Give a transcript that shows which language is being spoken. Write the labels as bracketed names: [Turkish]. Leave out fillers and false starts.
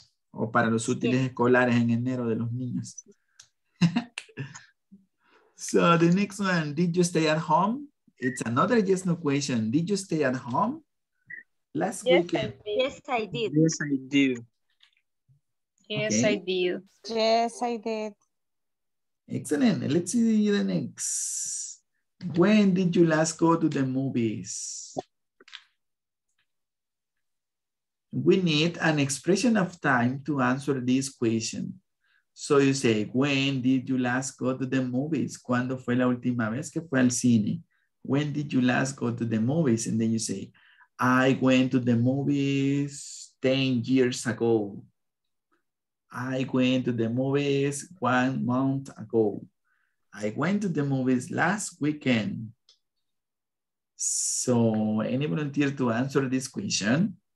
[Spanish] O para los útiles escolares en enero de los niños. [English] So the next one, did you stay at home? It's another yes no question. Did you stay at home last weekend? Yes, I did. Yes, I did. Yes, okay. I did. Yes, I did. Excellent. Let's see the next. When did you last go to the movies? We need an expression of time to answer this question. So you say, when did you last go to the movies? [Spanish] ¿Cuándo fue la última vez que fue al cine? [English] When did you last go to the movies? And then you say, I went to the movies 10 years ago. I went to the movies 1 month ago. I went to the movies last weekend. So any volunteer to answer this question?